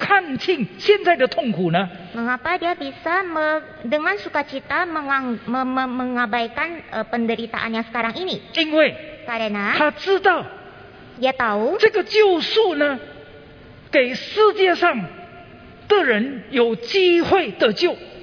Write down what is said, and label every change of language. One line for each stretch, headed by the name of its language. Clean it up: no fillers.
Chinese: 为什么他能够用喜乐来看清现在的痛苦呢?
Indonesian: Mengapa dia bisa dengan sukacita mengabaikan penderitaan yang sekarang ini?
Chinese: 因为
Indonesian: Karena
Chinese: 他知道
Indonesian: Dia tahu
Chinese: 这个救赎呢, 给世界上的人有机会得救。